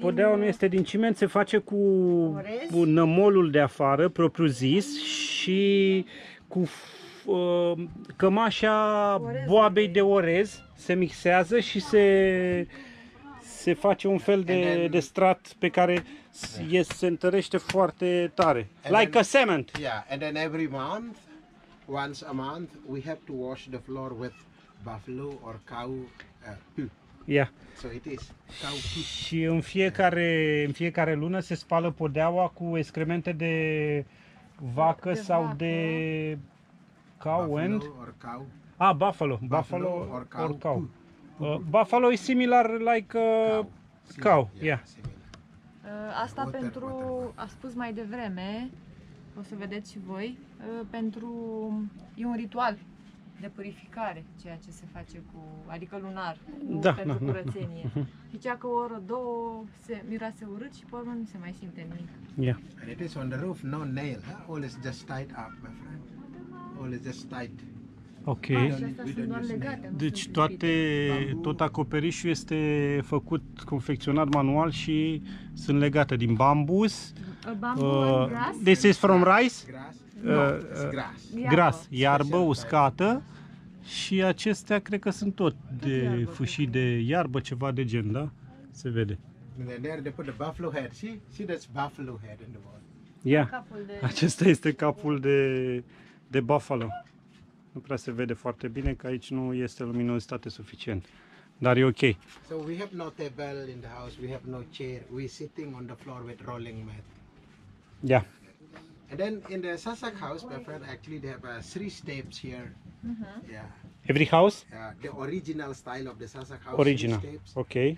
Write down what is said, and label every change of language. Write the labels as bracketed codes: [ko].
[ro] Podeaua nu este din ciment, se face cu nămolul de afară, propriu zis, și cu cămașa boabei de orez. Se mixează și se face un fel de strat pe care se întărește foarte tare. [en] Like a cement. Yeah, and then every month. Once a month, we have to wash the floor with buffalo or cow poo. Yeah. So it is cow poo. [ro] Și în fiecare lună se spală podeaua cu excremente de vacă sau de cow. [en] Buffalo and... or cow. Ah, buffalo. Buffalo or cow. Or cow. Buffalo is similar like cow. Yeah. [ro] Asta water, pentru, water. A spus mai devreme, o să vedeți și voi, pentru e un ritual de purificare, ceea ce se face cu, adică lunar, pentru curățenie. Zicea că o oră, două, se miroase urât și pe urmă nu se mai simte nimic. [en] Yeah. And it is on the roof, no nail, huh? All is just tied up, my friend. All is just tied. Ok. [ro] Sunt doar legate, deci toate, tot acoperișul este făcut, confecționat manual și sunt legate din bambus. Bambus, [en] this is from rice? Gras. [ro] Gras, iarbă uscată. Și acestea cred că sunt tot de iarbă, fâșii de iarbă, ceva de gen, da? Se vede. [en] And then there they put the buffalo head, see? See, that's buffalo head in the wall. [ro] Yeah, de... acesta este capul de, de buffalo. Nu prea se vede foarte bine, că aici nu este luminozitate suficient. Dar e ok. [en] So we have no table in the house, we have no chair. We sitting on the floor with rolling mat. Yeah. And then in the Sasak house, my friend, actually they have three steps here. Mm-hmm. Yeah. Every house? Yeah, the original style of the Sasak house. Original. Steps. Okay.